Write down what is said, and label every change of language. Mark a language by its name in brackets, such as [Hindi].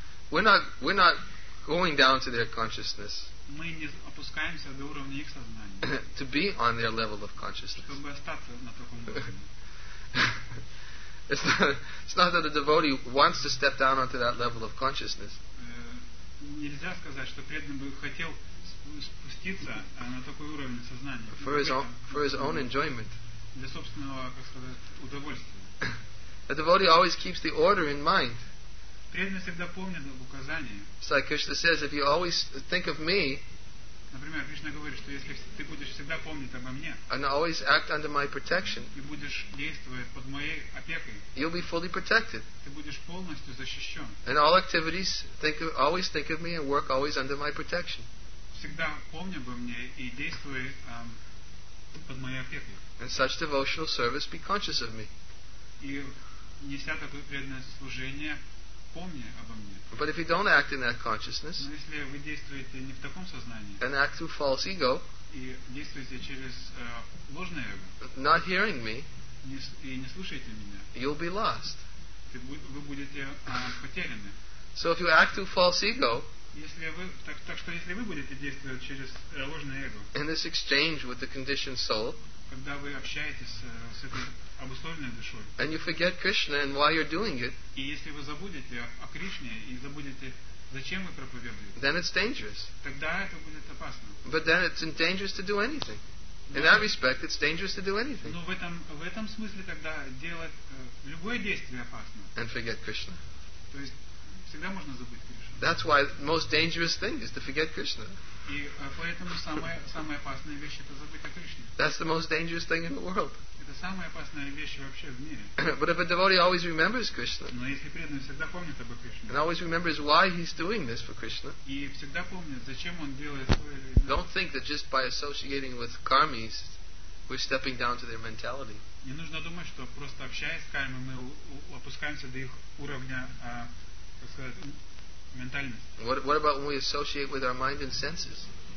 [English] We're not going down to their consciousness. [Russian] Мы не опускаемся до уровня их сознания. [English] To be on their level of consciousness. [Russian] Чтобы остаться на таком уровне. [English] It's not that the devotee wants to step down onto that level of consciousness. [Russian] Нельзя сказать, что преданный бы хотел спуститься на такой уровень сознания. [English] For his own enjoyment. [Russian] Для собственного, как сказать, удовольствия. [English] A devotee always keeps the order in mind. [Russian] Преданный всегда помнит об указании. [English] So Krishna says, if you always think of me. [Russian] Например, Кришна говорит, что если ты будешь всегда помнить обо мне. [English] And always act under my protection. [Russian] И будешь действовать под моей опекой. [English] You'll be fully protected. [Russian] Ты будешь полностью защищен. [English] And all activities, always think of me and work always under my protection. [Russian] Всегда помни обо мне и действуй под моей опекой. [English] And such devotional service, be conscious of me. [Russian] И неся такое преданное служение, помни обо мне. [English] But if you don't act in that consciousness, [Russian] но если вы действуете не в таком сознании, [English] and act through false ego, [Russian] и действуете через ложное эго, [English] not hearing me, [Russian] и не слушаете меня, [English] you'll be lost. [Russian] Вы будете потеряны. [English] So if you act through false ego, [Russian] если вы, так что если вы будете действовать через ложное эго, [English] in this exchange with the conditioned soul, [Russian] когда вы общаетесь с этой обусловленной душой. [English] And you forget Krishna and why you're doing it. [Russian] И если вы забудете о Кришне и забудете, зачем вы проповедуете. [English] Then it's dangerous. [Russian] Тогда это будет опасно. [English] But then it's dangerous to do anything. In that respect, it's dangerous to do anything. [Russian] Но в этом смысле тогда делать любое действие опасно. [English] And forget Krishna. [Russian] То есть всегда можно забыть Кришну. [English] That's why the most dangerous thing is to forget Krishna. [Russian] И поэтому самая опасная вещь — это забыть о Кришне. [English] That's the most dangerous thing in the world. [Russian] Это самая опасная вещь вообще в мире. [English] But if a devotee always remembers Krishna. [Russian] Но если преданный всегда помнит об Кришне. [English] And always remembers why he's doing this for Krishna. [Russian] И всегда помнит, зачем он делает свое. [English] Don't think that just by associating with karmis, we're stepping down to their mentality. [Russian] Не нужно думать, что просто общаясь с кармой, мы опускаемся до их уровня, как сказать. [English] What about when we associate with our mind and senses?